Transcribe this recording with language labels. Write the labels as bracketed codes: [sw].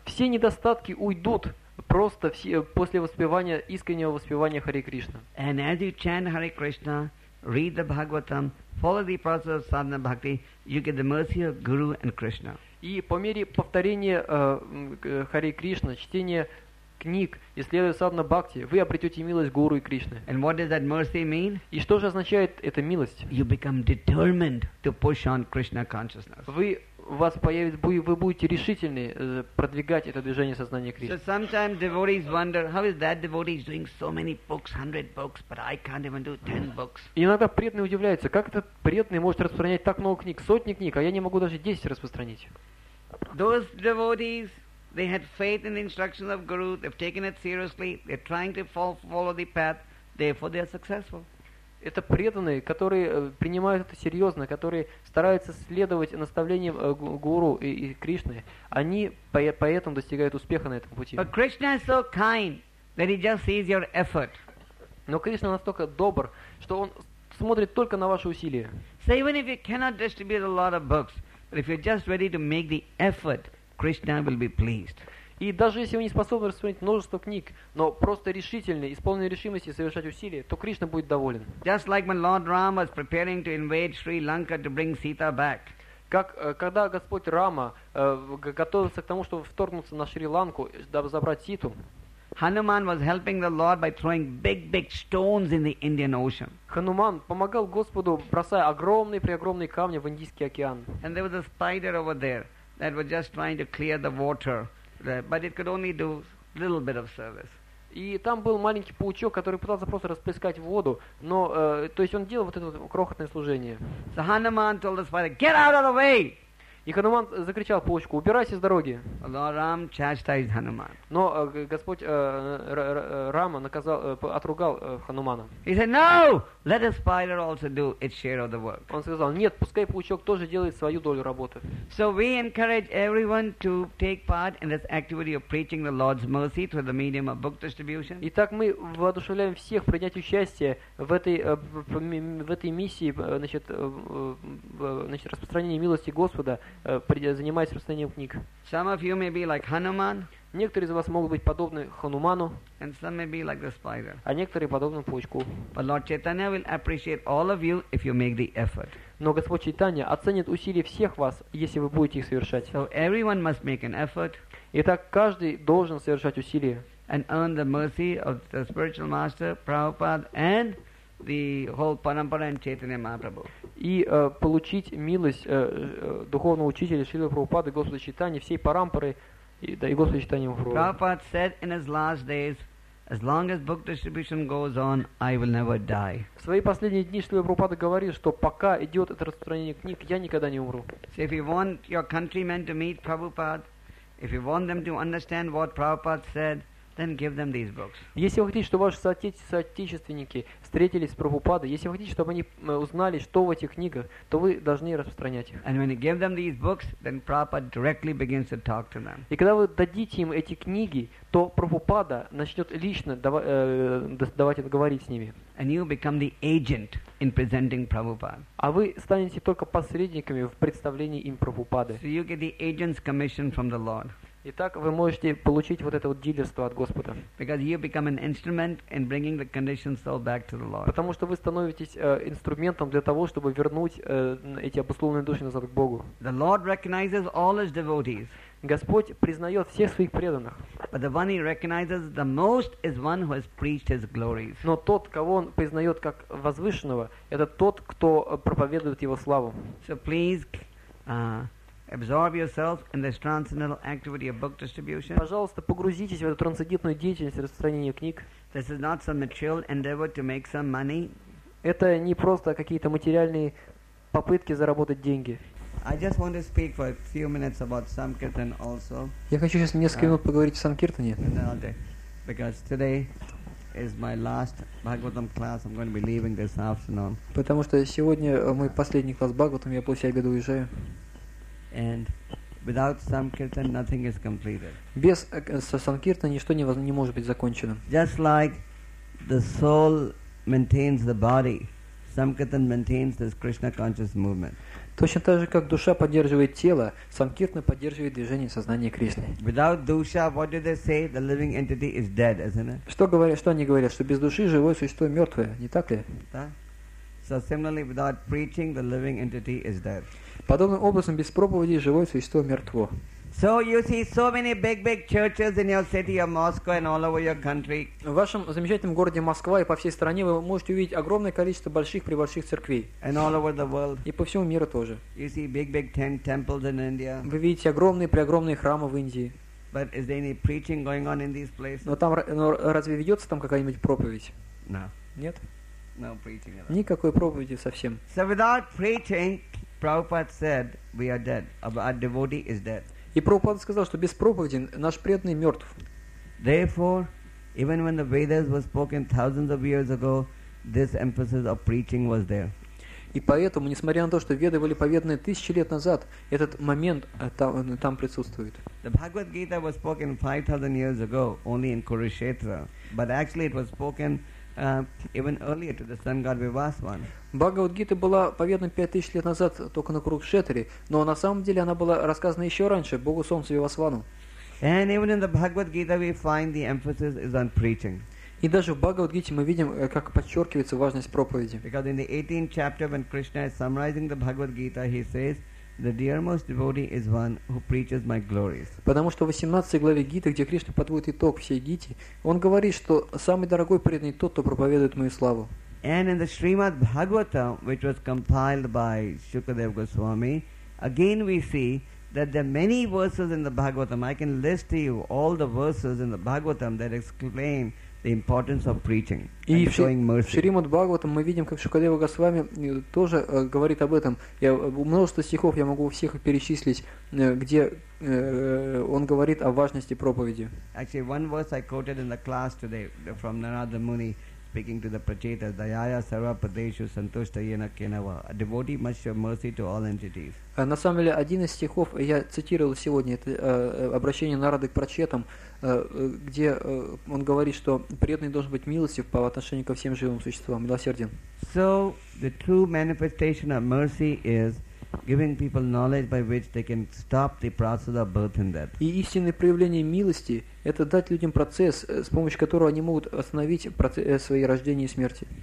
[ru] Все недостатки уйдут. Просто все, после воспевания, искреннего воспевания Харе Кришна. [en] And as you chant Hare Krishna, read the Bhagavatam, follow the process of sadhana bhakti, you get the mercy of Guru and Krishna. [ru] И по мере повторения Харе Кришна, чтения книг, исследуя sadhana bhakti, вы обретете милость Гуру и Кришны. [en] And what does that mercy mean? [ru] И что же означает эта милость? [en] You become determined to push on Krishna consciousness. [ru] Вы у вас появится, вы будете решительны продвигать это движение сознания Кришны. [en] So sometimes devotees wonder, how is that devotee doing so many books, 100 books, but I can't even do 10 books. [ru] Иногда преданные удивляются, как этот преданный может распространять так много книг, сотни книг, а я не могу даже 10 распространить. [en] Those devotees, they had faith in the instructions of Guru, they've taken it seriously, they're trying to follow the path, therefore they are successful. [ru] Это преданные, которые принимают это серьезно, которые стараются следовать наставлениям Гуру и Кришны, они поэтому достигают успеха на этом пути. [en] But Krishna is so kind that he just sees your effort. [ru] Но Кришна настолько добр, что он смотрит только на ваши усилия. [en] So even if you cannot distribute a lot of books, but if you're just ready to make the effort, Krishna will be pleased. [ru] И даже если вы не способны распространить множество книг, но просто решительны, исполнены решимости совершать усилия, то Кришна будет доволен. [en] Just like when Lord Rama was preparing to invade Sri Lanka to bring Sita back. [ru] Как когда Господь Рама готовился к тому, чтобы вторгнуться на Шри-Ланку, дабы забрать Ситу. [en] Hanuman was helping the Lord by throwing big stones in the Indian Ocean. [ru] Хануман помогал Господу, бросая огромные камни в Индийский океан. [en] And there was a spider over there that was just trying to clear the water. But it could only do little bit of service. [ru] И там был маленький паучок, который пытался просто расплескать воду, но то есть он делал вот это вот крохотное служение. [en] So Hanuman told the spider, "Get out of the way!" [ru] И Хануман закричал паучку: "Убирайся с дороги!" [en] Lord Ram chastised Hanuman. [ru] Но Господь Рама наказал, отругал Ханумана. [en] He said, "No, let the spider also do its share of the work." [ru] Он сказал: "Нет, пускай паучок тоже делает свою долю работы." [en] So we encourage everyone to take part in this activity of preaching the Lord's mercy through the medium of book distribution. [ru] Итак, мы воодушевляем всех принять участие в этой миссии, значит, распространения милости Господа. Занимаясь распространением книг. [en] Some of you may be like Hanuman. [ru] Некоторые из вас могут быть подобны Хануману. [en] And some may be like the spider. [ru] А некоторые подобны паучку. [en] But Lord Chaitanya will appreciate all of you if you make the effort. [ru] Но Господь Чайтанья оценит усилия всех вас, если вы будете их совершать. [en] So everyone must make an effort. [ru] Итак, каждый должен совершать усилия. [en] And earn the mercy of the spiritual master Prabhupada and the whole Parampara and Chaitanya Mahaprabhu. [ru] И получить милость духовного учителя Шрилы Прабхупады, Господа Чайтаньи, всей Парампары и Господа Чайтаньи Махапрабху. [en] Prabhupada said in his last days, as long as book distribution goes on, I will never die. [ru] В свои последние дни Шрила Прабхупада говорит, что пока идет это распространение книг, я никогда не умру. [en] So if you want your countrymen to meet Prabhupada, if you want them to understand what Prabhupada said, then give them these books. [ru] Если вы хотите, чтобы ваши соотечественники встретились с Прабхупадой, если вы хотите, чтобы они узнали, что в этих книгах, то вы должны распространять их. [en] And when you give them these books, then Prabhupada directly begins to talk to them. [ru] И когда вы дадите им эти книги, то Прабхупада начнет лично давать говорить с ними. [en] And you become the agent in presenting Prabhupada. [ru] А вы станете только посредниками в представлении им Прабхупады. [en] So you get the agent's commission from the Lord. [ru] Итак, вы можете получить вот это вот дилерство от Господа. [en] Because you become an instrument in bringing the conditioned soul back to the Lord. [ru] Потому что вы становитесь инструментом для того, чтобы вернуть эти обусловленные души назад к Богу. [en] The Lord recognizes all his devotees. [ru] Господь признает всех своих преданных. [en] But the one he recognizes the most is one who has preached his glories. [ru] Но тот, кого он признает как возвышенного, это тот, кто проповедует его славу. [en] So please, absorb yourself in this transcendental activity of book distribution. [ru] Пожалуйста, погрузитесь в эту трансцендентную деятельность распространения книг. [en] This is not some material endeavor to make some money. [ru] Это не просто какие-то материальные попытки заработать деньги. [en] I just want to speak for a few minutes about Sankirtan also. [ru] Я хочу сейчас несколько минут поговорить о Санкиртане. [en] Because today is my last Bhagavatam class. I'm going to be leaving this afternoon. [ru] Потому что сегодня мой последний класс Бхагаватам, я после обеда уезжаю. [en] And without Sankirtan, nothing is completed. [ru] Без Санкирта ничто не может быть закончено. [en] Just like the soul maintains the body, Sankirtan maintains this Krishna conscious movement. [ru] Точно так же, как душа поддерживает тело, Санкиртна поддерживает движение сознания Кришны. [en] Without dusha, what do they say? The living entity is dead, isn't it? [ru] Что они говорят? Что без души живое существо мертвое, не так ли? Да. [en] So similarly, without preaching, the living entity is dead. [ru] Подобным образом, без проповеди живое существо мертво. [en] So you see so many big churches in your city of Moscow and all over your country. [ru] В вашем замечательном городе Москва и по всей стране вы можете увидеть огромное количество больших церквей. [en] And all over the world. [ru] И по всему миру тоже. [en] You see big temples in India. [ru] Вы видите огромные храмы в Индии. [en] But is there any preaching going on in these places? [ru] Но разве ведется там какая-нибудь проповедь? [en] No. [ru] Нет. [en] No preaching at all. [ru] Никакой проповеди совсем. [en] So without preaching, Prabhupada said, "We are dead. Our devotee is dead." [ru] И Прабхупада сказал, что без проповеди наш преданный мертв. [en] Therefore, even when the Vedas were spoken thousands of years ago, this emphasis of preaching was there. [ru] И поэтому, несмотря на то, что Веды были поведаны тысячи лет назад, этот момент там присутствует. [en] The Bhagavad Gita was spoken 5,000 years ago only in Kurukshetra, but actually it was spoken even earlier to the sun god Vivaswan. [ru] Бхагавад Гита была поведана 5000 лет назад только на Курукшетре, но на самом деле она была рассказана еще раньше Богу Солнцу Вивасвану. [en] And even in the Bhagavad Gita we find the emphasis is on preaching. [ru] И даже в Бхагавад Гите мы видим, как подчеркивается важность проповеди. [en] Because in the 18th chapter when Krishna is summarizing the Bhagavad Gita he says the dearmost devotee is one who preaches my glories. [ru] Потому что в 18 главе Гиты, где Кришна подводит итог всей Гите, он говорит, что самый дорогой преданный тот, кто проповедует мою славу. [en] And in the Srimad Bhagavatam, which was compiled by Shukadev Goswami, again we see that there are many verses in the Bhagavatam. I can list to you all the verses in the Bhagavatam that explain the importance of preaching and showing mercy. [ru] В Шримад Бхагаватам мы видим, как Шукадева Госвами тоже говорит об этом. Я множество стихов я могу всех перечислить, где он говорит о важности проповеди. [en] Actually, one verse I quoted in the class today from Narada Muni speaking to the Prachetas, [sa] Dayaya Sarva Padeshu Santushta Yena Kenava. [en] A devotee must show mercy to all entities. [ru] На самом деле, один из стихов я цитировал сегодня, это обращение Нарады к Прачетам, где он говорит, что преданный должен быть милостив по отношению ко всем живым существам, милосерден. [en] So, the true manifestation of mercy is giving people knowledge by which they can stop the process of birth and death. [ru] И истинное проявление милости – это дать людям процесс, с помощью которого они могут остановить свои рождения и смерти.